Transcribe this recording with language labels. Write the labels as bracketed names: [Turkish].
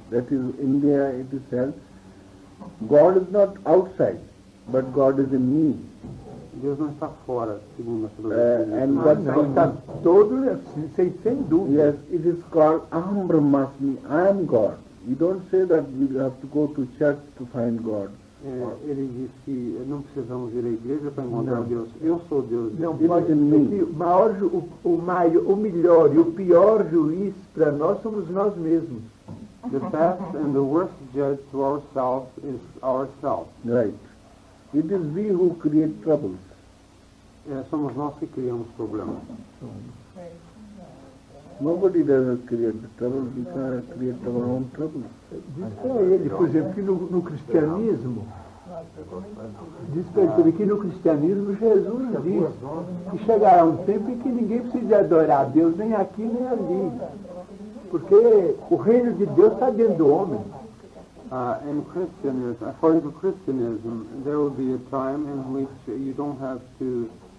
[English] That is India itself. God is not outside, but God is in me. [Portuguese] Deus não está fora, segundo a filosofia. Sem dúvida. [English] Yes, it is called Ambrahmasmi. I am God. You don't say that we have to go to church to find God. [Portuguese] Ele diz que não precisamos ir à igreja para encontrar Deus. Eu sou Deus. Não, pode o melhor e o pior juiz para nós somos nós mesmos. [English] The best and the worst judge to ourselves is ourselves. Right. It is we who create troubles. [Portuguese] Somos nós que criamos problemas. [English] Nobody doesn't create trouble, we can create our own trouble. [Portuguese] Diz para ele, por exemplo, que no cristianismo, diz para ele que no cristianismo Jesus diz que chegará um tempo em que ninguém precisa adorar a Deus nem aqui nem ali. Porque o reino de Deus está dentro do homem. [English] In Christianism, according to Christianism, there will be a time in which you don't have to